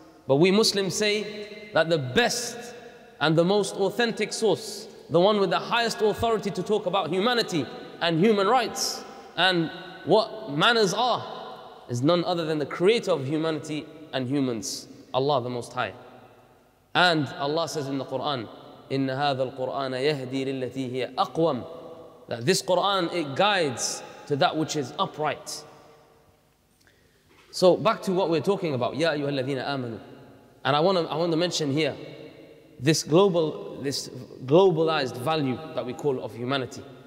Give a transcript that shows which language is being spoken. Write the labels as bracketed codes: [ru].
[en] But we Muslims say that the best and the most authentic source, the one with the highest authority to talk about humanity and human rights and what manners are, is none other than the creator of humanity and humans, Allah the Most High. And Allah says in the Quran, [ar] إِنَّ هَذَا الْقُرْآنَ يَهْدِي لِلَّتِي هِيَ أَقْوَمْ. [en] That this Quran, it guides to that which is upright. So back to what we're talking about, [ar] يَا أَيُّهَا الَّذِينَ آمَنُوا. [en] And I want to mention here this globalized value that we call of humanity.